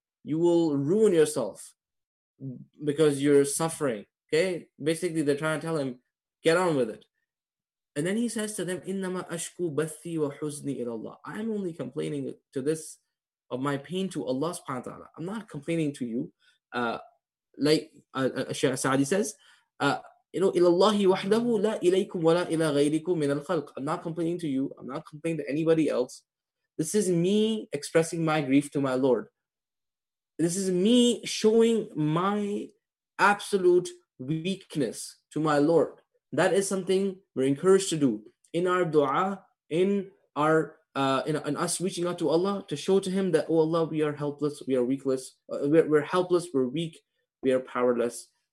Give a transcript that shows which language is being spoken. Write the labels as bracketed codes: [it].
[en] You will ruin yourself because you're suffering. Okay, basically they're trying to tell him, get on with it. And then he says to them, [ar] إِنَّمَا أَشْكُو بَثِّي وَحُزْنِي إِلَى اللَّهِ. [en] I'm only complaining to this of my pain to Allah subhanahu wa ta'ala. I'm not complaining to you. Like Shaykh Sa'adi says, you know, [ar] إِلَى اللَّهِ وَحْدَهُ لَا إِلَيْكُمْ وَلَا إِلَى غَيْرِكُمْ مِنَ الْخَلْقِ. [en] I'm not complaining to you. I'm not complaining to anybody else. This is me expressing my grief to my Lord. This is me showing my absolute weakness to my Lord. That is something we're encouraged to do in our dua, in us reaching out to Allah to show to Him that, oh Allah, we are helpless, we are weakless, we're helpless, we're weak, we are powerless.